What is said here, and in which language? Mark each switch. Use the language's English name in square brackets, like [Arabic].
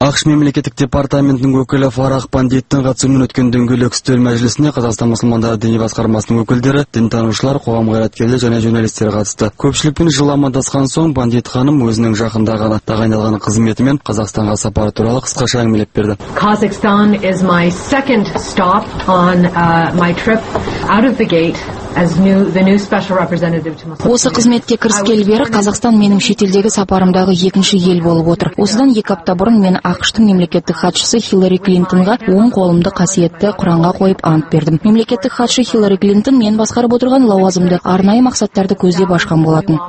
[Kazakh] АҚШ мемлекеттік департаментінің өкілі Фарах Пандиттің қатысуымен өткен дөңгелек үстел мәжілісіне Қазақстан мұсылмандары діни басқармасының өкілдері, дінтанушылар, қоғам қайраткерлері және журналистер қатысты. Көпшілікпен жыл амандасқан соң Пандит ханым өзінің жақындағы тағайындалған қызметімен Қазақстанға сапары туралы қысқаша әңгімелеп берді. [English] Kazakhstan is my second stop on my trip out of the gate. As the new special representative to Muslim. [Kazakh] Осы қызметке кіріскелі бері Қазақстан менің шетелдегі сапарымдағы екінші ел болып отыр. Осыдан екі апта бұрын мен АҚШ-тың мемлекеттік хатшысы Хиллари Клинтонға оң қолымды қасиетті Құранға қойып ант бердім. Мемлекеттік хатшы Хиллари Клинтон мен басқарып отырған лауазымды арнайы мақсаттарды көздеп ашқан болатын.